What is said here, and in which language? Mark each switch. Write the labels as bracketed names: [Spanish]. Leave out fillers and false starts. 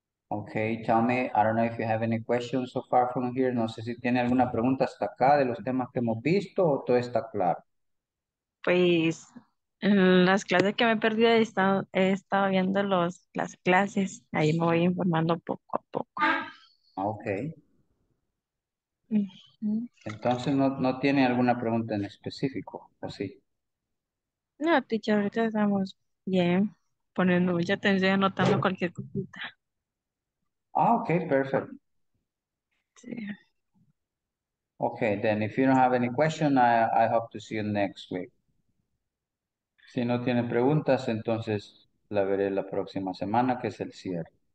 [English] Okay, tell me, I don't know if you have any questions so far from here. [Spanish] No sé si tiene alguna pregunta hasta acá de los temas que hemos visto o todo está claro. Pues, las clases que me he perdido he estado viendo las clases. Ahí me voy informando poco a poco. Okay. Entonces, ¿no tiene alguna pregunta en específico o sí? No, teacher, ahorita estamos bien, poniendo mucha atención, anotando cualquier cosita. Ah, ok, perfecto. Sí. [English] Ok, then if you don't have any question, I hope to see you next week. [Spanish] Si no tiene preguntas, entonces la veré la próxima semana, que es el cierre.